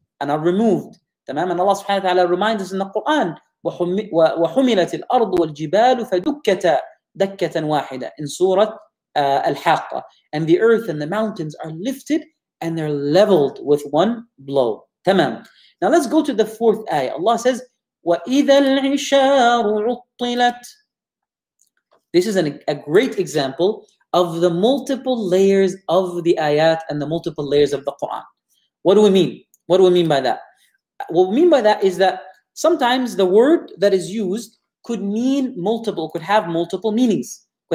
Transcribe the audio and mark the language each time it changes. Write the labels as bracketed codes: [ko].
[en] Tamam? And Allah subhanahu wa ta'ala reminds us in the Quran, [ar] وَحُمِلَتِ الْأَرْضُ وَالْجِبَالُ فَدُكَّتَ دَكَّةً وَاحِدَةً [en] in Surah Al-Haqqa. And the earth and the mountains are lifted and they're leveled with one blow. Tamam. Now let's go to the fourth ayah. Allah says, [ar] وَإِذَا الْعِشَارُ عُطِّلَتْ. [en] This is a great example of the multiple layers of the ayat and the multiple layers of the Quran. What do we mean by that? What we mean by that is that sometimes the word that is used could have multiple meanings.